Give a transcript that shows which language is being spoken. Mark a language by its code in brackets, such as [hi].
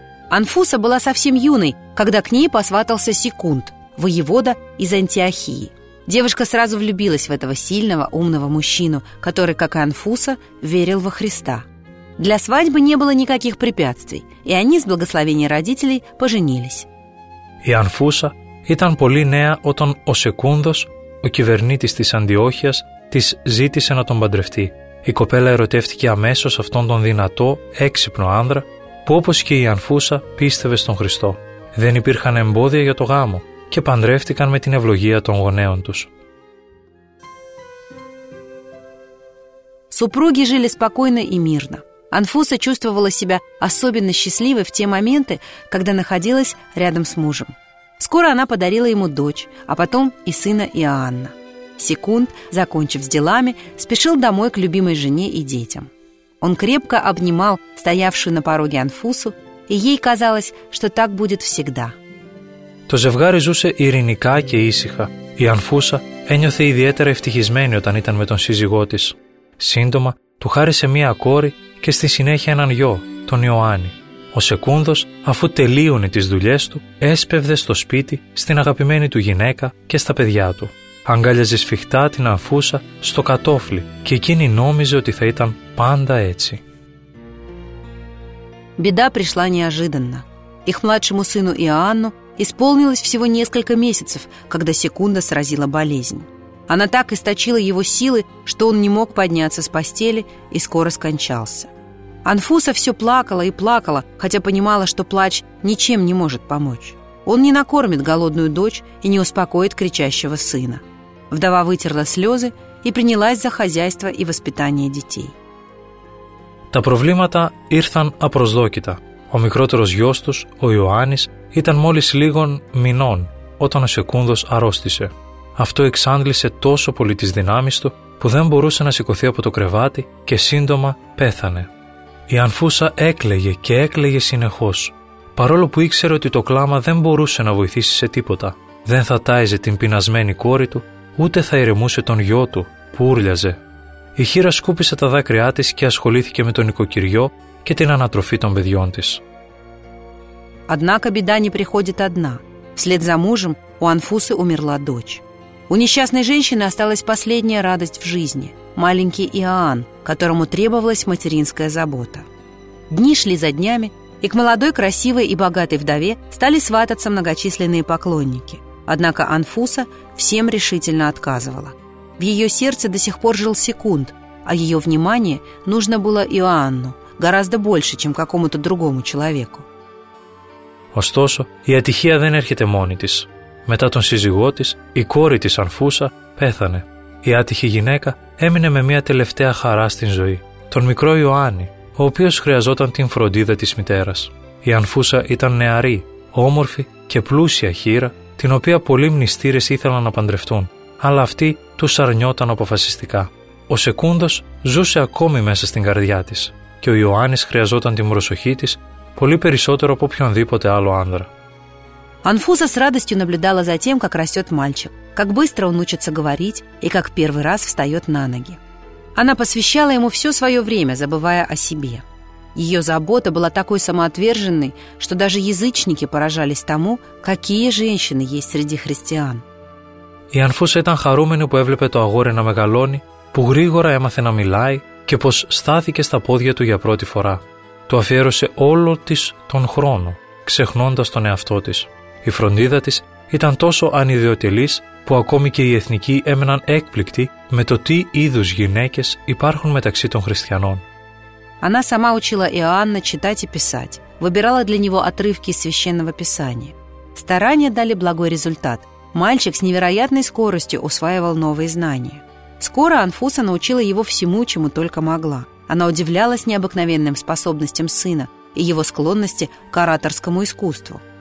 [ru] Ανφούσα была совсем юной, когда к ней посватался Секунд, воевода из Антиохии. Девушка сразу влюбилась в этого сильного, умного мужчину, который, как и Анфуса, верил во Христа. Для свадьбы не было никаких препятствий, и они с благословения родителей поженились. [el] Η Ανφούσα ήταν πολύ νέα όταν ο Σεκούνδος, ο κυβερνήτης της Αντιόχειας, της ζήτησε να τον παντρευτεί. Η κοπέλα ερωτεύτηκε αμέσως αυτόν τον δυνατό, έξυπνο άνδρα, που όπως και η Ανφούσα πίστευε στον Χριστό. Δεν υπήρχαν εμπόδια για το γάμο και παντρεύτηκαν με την ευλογία των γονέων τους. [ru] Супруги жили спокойно и мирно. Анфуса чувствовала себя особенно счастливой в те моменты, когда находилась рядом с мужем. Скоро она подарила ему дочь, а потом и сына Иоанна. Секунд, закончив с делами, спешил домой к любимой жене и детям. Он крепко обнимал стоявшую на пороге Анфусу, и ей казалось, что так будет всегда. [el] Το ζευγάρι ζούσε ειρηνικά και ήσυχα. Η Ανφούσα ένιωθε ιδιαίτερα ευτυχισμένη όταν ήταν με τον σύζυγό της. Σύντομα, του χάρισε μία κόρη και στη συνέχεια έναν γιο, τον Ιωάννη. Ο Σεκούνδος, αφού τελείωνε τις δουλειές του, έσπευδε στο σπίτι, στην αγαπημένη του γυναίκα και στα παιδιά του. Αγκάλιαζε σφιχτά την Ανφούσα στο κατόφλι και εκείνη νόμιζε ότι θα ήταν πάντα έτσι. [ru] Беда пришла неожиданно. Их младшему сыну Иоанну исполнилось всего несколько месяцев, когда Секунда сразила болезнь. Она так источила его силы, что он не мог подняться с постели и скоро скончался. Анфуса все плакала и плакала, хотя понимала, что плач ничем не может помочь. Он не накормит голодную дочь и не успокоит кричащего сына. Вдова вытерла слезы и принялась за хозяйство и воспитание детей. [el] Та проблемата ήρθαν απροσδόκητα. Ο μικρότερος γιος τους, ο Ιωάννης, ήταν μόλις λίγων μηνών όταν ο Σεκούνδος αρρώστησε. Αυτό εξάντλησε τόσο πολύ τις δυνάμεις του που δεν μπορούσε να σηκωθεί από το κρεβάτι και σύντομα πέθανε. Η Ανφούσα έκλαιγε και έκλαιγε συνεχώς. Παρόλο που ήξερε ότι το κλάμα δεν μπορούσε να βοηθήσει σε τίποτα, δεν θα τάιζε την πεινασμένη κόρη του, ούτε θα ηρεμούσε τον γιο του που ούρλιαζε. Η χείρα σκούπισε τα δάκρυά της και ασχολήθηκε με το νοικοκυριό και την ανατροφή των παιδιών της. [ru] Однако беда не приходит одна. Вслед за мужем у Анфусы умерла дочь. У несчастной женщины осталась последняя радость в жизни – маленький Иоанн, которому требовалась материнская забота. Дни шли за днями, и к молодой, красивой и богатой вдове стали свататься многочисленные поклонники. Однако Анфуса всем решительно отказывала. В ее сердце до сих пор жил Секунд, а ее внимание нужно было Иоанну гораздо больше, чем какому-то другому человеку. [el] Ωστόσο, η ατυχία δεν έρχεται μόνη της. Μετά τον σύζυγό της, η κόρη της Ανφούσα πέθανε. Η άτυχη γυναίκα έμεινε με μια τελευταία χαρά στην ζωή, τον μικρό Ιωάννη, ο οποίος χρειαζόταν την φροντίδα της μητέρας. Η Ανφούσα ήταν νεαρή, όμορφη και πλούσια χείρα, την οποία πολλοί μνηστήρες ήθελαν να παντρευτούν, αλλά αυτή τους αρνιόταν αποφασιστικά. Ο Σεκούντος ζούσε ακόμη μέσα στην καρδιά της και ο Ιωάννης χρειαζόταν την προσοχή της πολύ περισσότερο από οποιονδήποτε άλλο άνδρα. [ru] Анфуса с радостью наблюдала за тем, как растет мальчик, как быстро он учится говорить и как первый раз встает на ноги. Она посвящала ему все свое время, забывая о себе. Ее забота была такой самоотверженной, что даже язычники поражались тому, какие женщины есть среди христиан. [el] Η Анфуса ήταν χαρούμενη που έβλεπε το αγόρι να μεγαλώνει, που γρήγορα έμαθε να μιλάει και πως στάθηκε στα πόδια του για πρώτη φορά. Του αφιέρωσε όλο της τον χρόνο, ξεχνώντας τον εαυτό της. Η φροντίδα της ήταν τόσο ανιδιοτελής που ακόμη και οι εθνικοί έμεναν έκπληκτοι με το τι είδους γυναίκες υπάρχουν μεταξύ των χριστιανών. [ru] Она сама учила Иоанна читать и писать, выбирала для него отрывки из священного писания. Старания дали благой результат. Мальчик с невероятной скоростью усваивал новые знания. Скоро Анфуса научила его всему, чему только могла. Она удивлялась необыкновенным способностям сына и его склонности к ораторскому искусству.